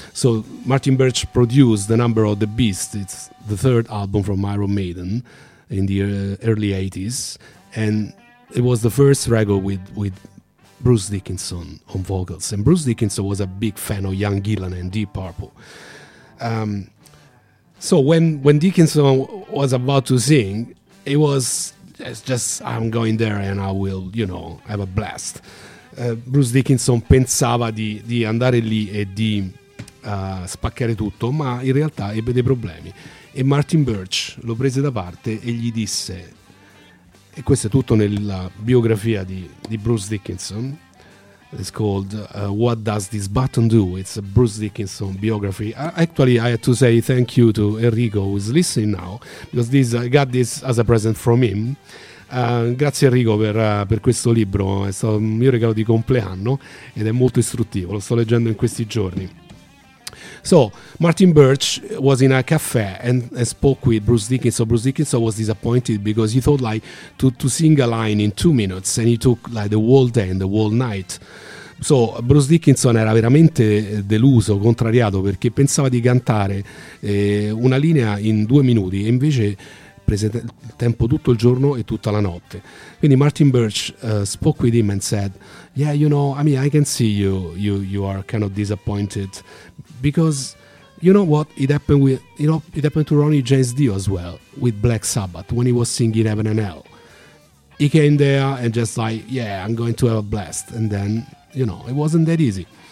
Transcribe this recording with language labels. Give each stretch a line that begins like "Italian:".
English: So Martin Birch produced The Number of the Beast, it's the third album from Iron Maiden in the early 80s, and it was the first record with Bruce Dickinson on vocals, and Bruce Dickinson was a big fan of Ian Gillan and Deep Purple. So when Dickinson was about to sing, it was, it's just, I'm going there and I will, you know, have a blast.
Italian: Bruce Dickinson pensava di andare lì e di spaccare tutto, ma in realtà ebbe dei problemi. E Martin Birch lo prese da parte e gli disse, e questo è tutto nella biografia di Bruce Dickinson,
English: it's called What Does This Button Do? It's a Bruce Dickinson biography. Actually, I had to say thank you to Enrico, who is listening now, because this, I got this as a present from him.
Italian: Grazie Enrico per questo libro, è stato un mio regalo di compleanno ed è molto istruttivo, lo sto leggendo in questi giorni.
English: So, Martin Birch was in a cafe and spoke with Bruce Dickinson. Bruce Dickinson was disappointed because he thought like to sing a line in 2 minutes, and he took like the whole day and the whole night.
Italian: So Bruce Dickinson era veramente deluso, contrariato, perché pensava di cantare una linea in 2 minuti e invece prese tempo tutto il giorno e tutta la notte.
English: Quindi Martin Birch spoke with him and said, yeah, you know, I mean, I can see you are kind of disappointed, because you know what, it happened to Ronnie James Dio as well with Black Sabbath when he was singing Heaven and Hell. He came there and just like, yeah, I'm going to have a blast, and then, you know, it wasn't that easy.